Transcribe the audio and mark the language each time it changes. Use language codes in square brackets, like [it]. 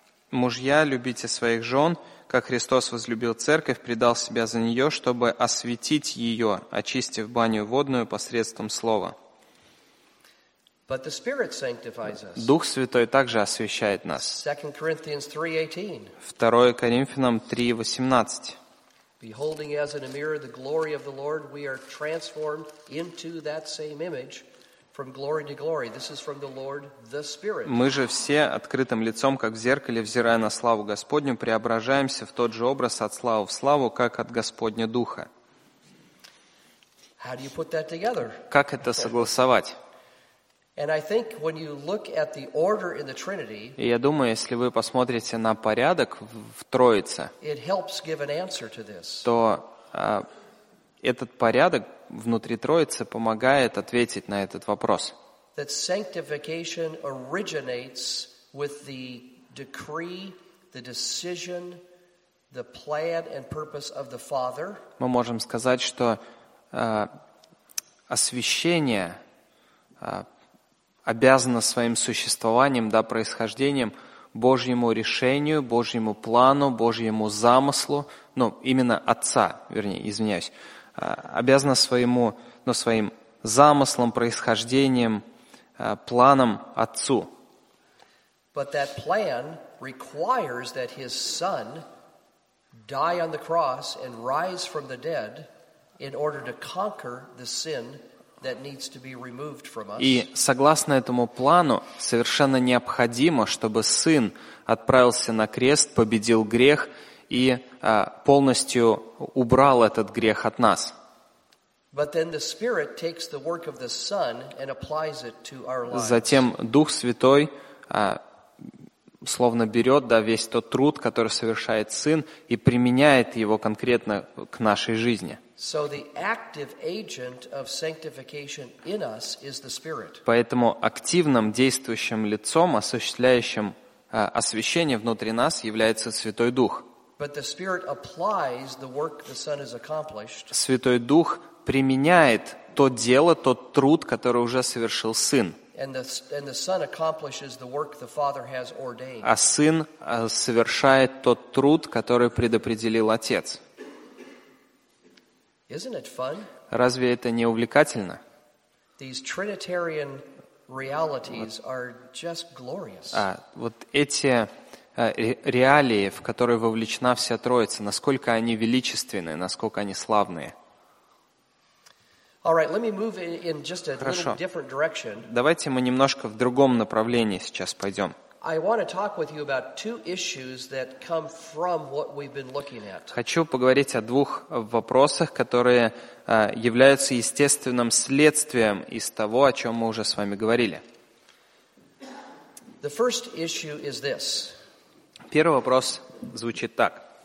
[ru] Мужья, любите своих жен, как Христос возлюбил Церковь, предал Себя за нее, чтобы осветить ее, очистив баню водную посредством Слова. [en] But the Spirit sanctifies us. [ru] Дух Святой также освящает нас. 2 Коринфянам 3:18. [en] Beholding as in a mirror the glory of the Lord, we are transformed into that same image. From glory to glory. This is from the Lord, the Spirit. [ru] Мы же все открытым лицом, как в зеркале, взирая на славу Господню, преображаемся в тот же образ от славы в славу, как от Господня Духа. [en] How do you put that together? [ru] Как это согласовать? [en] And I think when you look at the order in the Trinity, [ru] и я думаю, если вы посмотрите на порядок в Троице, [en] it helps give an answer to this. [ru] То этот порядок внутри Троицы помогает ответить на этот вопрос. [en] That sanctification originates with the decree, the decision, the plan and purpose of the Father. [ru] Мы можем сказать, что освящение обязано своим существованием, да, происхождением Божьему решению, Божьему плану, Божьему замыслу, ну, именно Отца, вернее, извиняюсь, обязана своему, ну, своим замыслом, происхождением, планом Отцу. [en] But that plan requires that His Son die on the cross and rise from the dead in order to conquer the sin that needs to be removed from us. [ru] И согласно этому плану, совершенно необходимо, чтобы Сын отправился на крест, победил грех и полностью убрал этот грех от нас. [en] But then the Spirit takes the work of the Son and applies it to our lives. [ru] Затем Дух Святой словно берет, да, весь тот труд, который совершает Сын, и применяет его конкретно к нашей жизни. [en] So the active agent of sanctification in us is the Spirit. [ru] Поэтому активным действующим лицом, осуществляющим освящение внутри нас, является Святой Дух. [en] But the Spirit applies the work the Son has accomplished. [ru] Святой Дух применяет то дело, тот труд, который уже совершил Сын. [en] And the Son accomplishes the work the Father has ordained. [ru] А Сын совершает тот труд, который предопределил Отец. [en] Isn't it fun? [ru] Разве это не увлекательно? [en] These Trinitarian realities are just glorious. [ru] А вот эти реалии, в которые вовлечена вся Троица, насколько они величественны, насколько они славные. [en] All right, let me move in just a little different direction. [ru] Давайте мы немножко в другом направлении сейчас пойдем. [en] I want to talk with you about two issues that come from what we've been looking at. [ru] Хочу поговорить о двух вопросах, которые являются естественным следствием из того, о чем мы уже с вами говорили. [en] The first issue is this. [ru] Первый вопрос звучит так.